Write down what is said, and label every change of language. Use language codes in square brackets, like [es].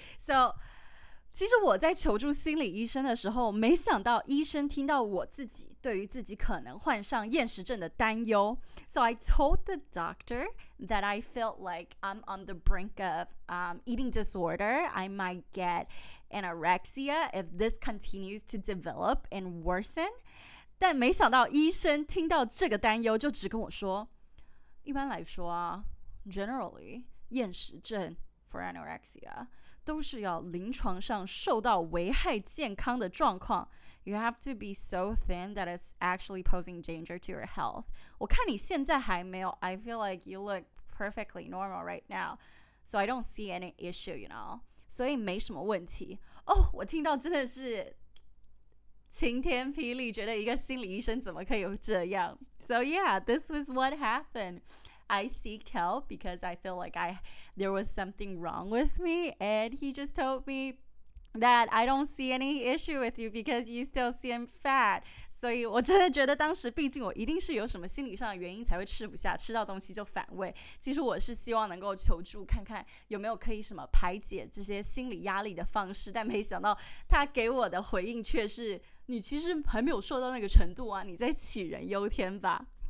[zh] So 其实我在求助心理医生的时候，没想到医生听到我自己对于自己可能患上厌食症的担忧。 [en] So I told the doctor that I felt like I'm on the brink of eating disorder. I might get anorexia if this continues to develop and worsen. [zh] 但没想到医生听到这个担忧，就只跟我说：“一般来说啊，generally 厌食症 [en] for anorexia。” [zh] 都是要临床上受到危害健康的状况 [en] You have to be so thin that it's actually posing danger to your health [zh] 我看你现在还没有 [en] I feel like you look perfectly normal right now So I don't see any issue, you know [zh] 所以没什么问题 [en] Oh, [zh] 我听到真的是 晴天霹雳 觉得一个心理医生怎么可以这样 [en] So yeah, this was what happened I seeked help because I feel like there was something wrong with me. And he just told me that I don't see any issue with you because you still seem fat. [zh] 所以我真的觉得当时毕竟我一定是有什么心理上的原因才会吃不下，吃到东西就反胃。其实我是希望能够求助看看有没有可以什么排解这些心理压力的方式，但没想到他给我的回应却是你其实还没有瘦到那个程度啊，你在杞人忧天吧。